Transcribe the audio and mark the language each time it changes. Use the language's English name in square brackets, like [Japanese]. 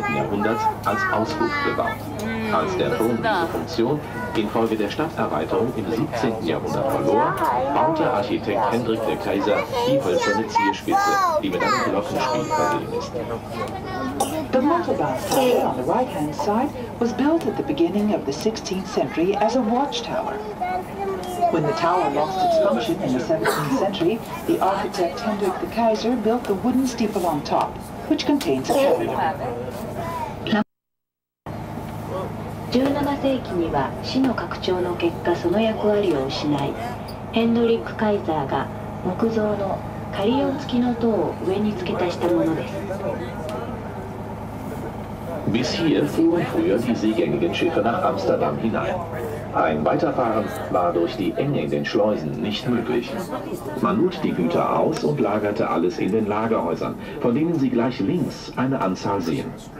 [German] No, als Ausflug gebaut, als der Turm diese Funktion infolge der Stadterweiterung im 17. Jahrhundert verlor, baute Architekt Hendrik der Kaiser die hölzerne Zierspitze, die mit einem Glockenspiel versehen ist. [English] The Motorbahn Tower on the right-hand side was built at the beginning of the 16th century as a watchtower. When the tower lost its function in the 17th century, the architect Hendrik the Kaiser built the wooden steeple on top, which contains a cannon. [Japanese] 17世紀には市の拡張の結果その役割を失い、ヘンドリック・カイザーが木造のカリオン付きの塔を上に付け足したものです。 [German] Bis hier fuhren früher die seegängigen Schiffe nach Amsterdam hinein. Ein Weiterfahren war durch die Enge in den Schleusen nicht möglich. Man lud die Güter aus und lagerte alles in den Lagerhäusern, von denen Sie gleich links eine Anzahl sehen.